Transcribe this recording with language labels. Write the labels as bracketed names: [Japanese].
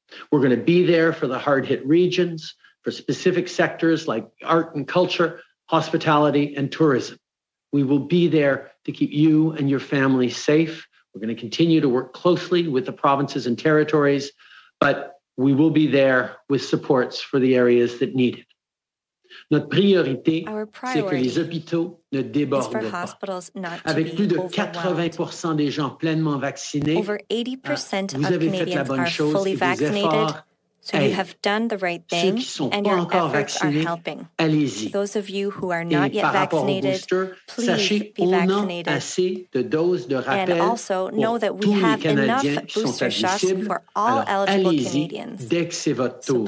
[English] We're going to be there for the hard hit regions, for specific sectors like art and culture, hospitality and tourism. We will be there to keep you and your family safe. We're going to continue to work closely with the provinces and territories, but we will be there with supports for the areas that need it. [French] Notre priorité, c'est que les hôpitaux ne débordent pas. Avec plus de 80% des gens pleinement vaccinés, vous avez fait la bonne chose et vos efforts. [English] So you have done the right thing and your efforts are helping. [French] Allez-y. [English] Those of you who are not yet vaccinated, please be vaccinated. [French] Assez de doses de rappel [English] and also know that we have enough booster shots for all eligible Canadians. [French] Dès que c'est votre tour.